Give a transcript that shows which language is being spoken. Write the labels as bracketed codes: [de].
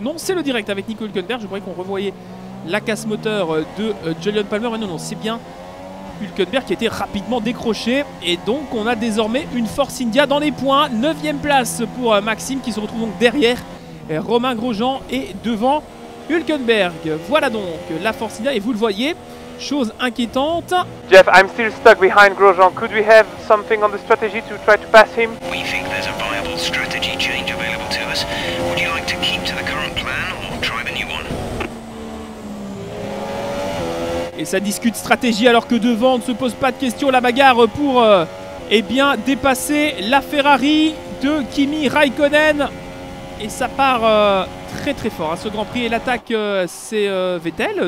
[fr] Non, c'est le direct avec Nico Hülkenberg, je croyais qu'on revoyait la casse moteur de Jolyon Palmer, mais non, non, c'est bien Hülkenberg qui a été rapidement décroché, et donc on a désormais une Force India dans les points, 9e place pour Maxime qui se retrouve donc derrière Romain Grosjean et devant Hülkenberg. Voilà donc la Force India, et vous le voyez, Chose inquiétante. [en] Jeff, I'm still stuck behind Grosjean. Could we have something on the strategy to try to pass him? We think there's a viable strategy change available to us. Would you like to keep to the current plan or try the new one? [fr] Et ça discute stratégie alors que devant, on ne se pose pas de questions. La bagarre pour dépasser la Ferrari de Kimi Raikkonen. Et ça part très très fort à ce Grand Prix. Et l'attaque, c'est Vettel.